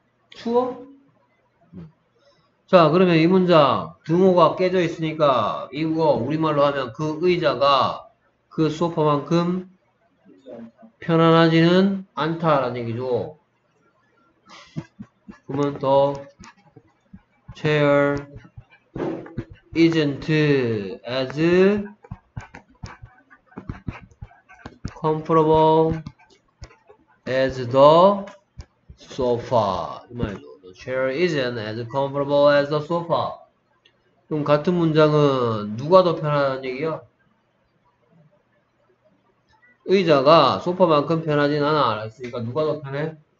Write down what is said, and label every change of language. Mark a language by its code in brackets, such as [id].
[ko] 추워? 자, 그러면 이 문장. 등호가 깨져 있으니까, 이거 우리말로 하면 그 의자가 그 소파만큼 편안하지는 않다라는 얘기죠. 그러면 더 [en] chair isn't as comfortable as the sofa. [ko] 이 말이죠. [en] The chair isn't as comfortable as the sofa. [ko] 그럼 같은 문장은 누가 더 편한 얘기야? 의자가 소파만큼 편하진 않아. 알았으니까 누가 더 편해?